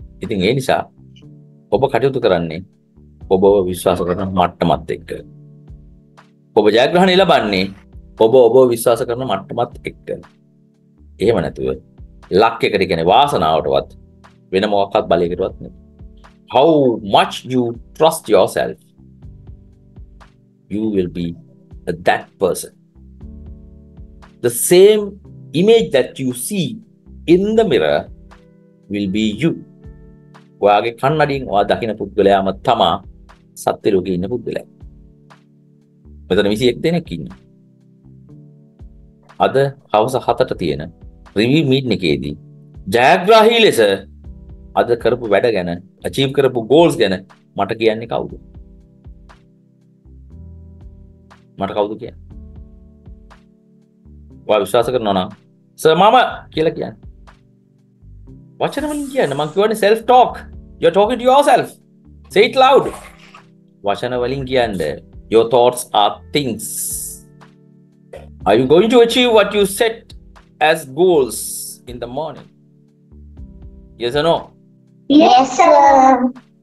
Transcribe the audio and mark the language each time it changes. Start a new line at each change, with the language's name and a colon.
Sinhala: ඉතින් ඒ නිසා ඔබ කටයුතු කරන්නේ ඔබව විශ්වාස කරන මට්ටමත් එක්ක. ඔබ ජයග්‍රහණය ලබන්නේ ඔබව විශ්වාස කරන මට්ටමත් එක්ක. එහෙම නැතුව ලක් එකට කියන්නේ වාසනාවටවත් වෙන මොකක්වත් බලයකටවත් නෙමෙයි.
English: How much you trust yourself you will be that person. The same image that you see in the mirror will be you.
Sinhala: ඔයාගේ කන්නඩියෙන් ඔයා දකින පුද්ගලයාම තමයි සත්‍ය ලෝකේ ඉන්න පුද්ගලයා. මෙතන 21 දෙනෙක් ඉන්නවා. අද හවස 7ට තියෙන review meeting එකේදී ජයග්‍රාහි ලෙස අද කරපු වැඩ ගැන achieve කරපු goals ගැන මට කියන්නේ කවුද? මට කවුද කියන්නේ? ඔයා විශ්වාස කරනවා නම් සර් මම කියලා කියන්නේ. වචනවලින් කියන්නේ මං කියවන self talk.
English: You are talking to yourself. Say it loud.
Sinhala: වචනවලින් කියන්නේ
English: your thoughts are things. Are you going to achieve what you set as goals in the morning? Yes or no? Yes sir.